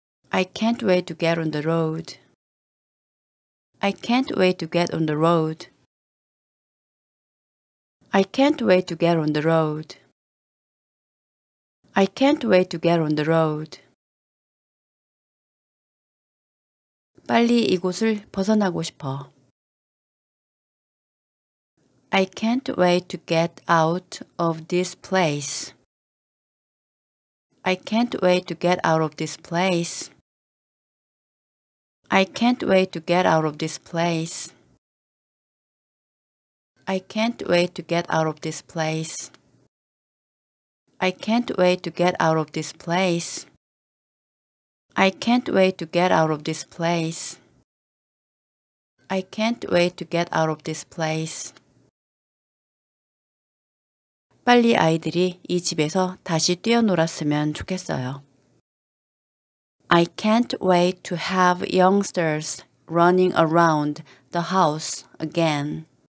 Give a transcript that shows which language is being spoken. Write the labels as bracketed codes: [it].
[en] I can't wait to get on the road. I can't wait to get on the road. I can't wait to get on the road. I can't wait to get on the road. [ko] 빨리 이곳을 벗어나고 싶어. [en] I can't wait to get out of this place. I can't wait to get out of this place. I can't wait to get out of this place. I can't wait to get out of this place. I can't wait to get out of this place. I can't wait to get out of this place. I can't wait to get out of this place. [ko] 빨리 아이들이 이 집에서 다시 뛰어놀았으면 좋겠어요. [en] I can't wait to have youngsters running around the house again.